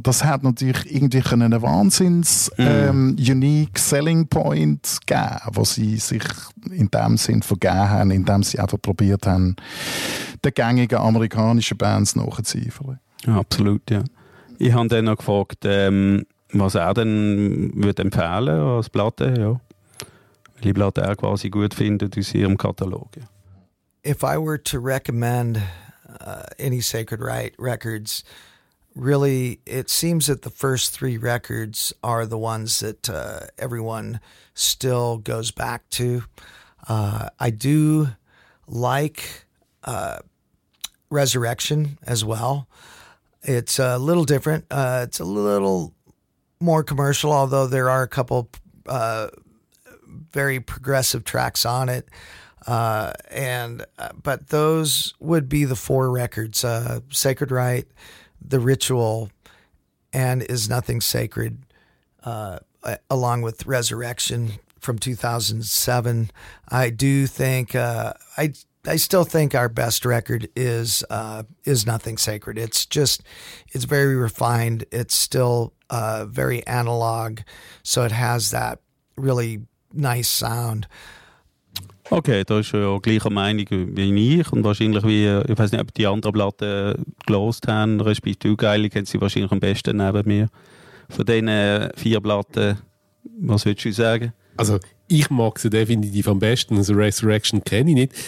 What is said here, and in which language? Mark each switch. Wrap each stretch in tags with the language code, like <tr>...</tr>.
<de>Das hat natürlich irgendwie einen wahnsinns unique Selling Point gegeben, wo sie sich in dem Sinn vergeben haben, indem sie einfach probiert haben, den gängigen amerikanischen Bands nachzuziefern. Ja, absolut, ja. Ich habe dann noch gefragt, was er denn würde empfehlen als Platte, ja. Welche Platte er quasi gut findet aus ihrem Katalog. Ja.</de> <en>If I were to recommend any Sacred Rite records, really, it seems that the first three records are the ones that everyone still goes back to. I do like Resurrection as well. It's a little different. It's a little more commercial, although there are a couple very progressive tracks on it. But those would be the four records, Sacred Rite, The Ritual, and Is Nothing Sacred, along with Resurrection from 2007. I do think, I still think our best record is Nothing Sacred. It's just, it's very refined. It's still, very analog. So it has that really nice sound.</en> <de>Okay, da ist ja gleicher Meinung wie ich und wahrscheinlich wie, ich weiß nicht, ob die anderen Platten gelost haben, respektive du Geile, kennst sie wahrscheinlich am besten neben mir. Von diesen vier Platten, was würdest du sagen? Also ich mag sie definitiv am besten, also Resurrection kenne ich nicht.</de>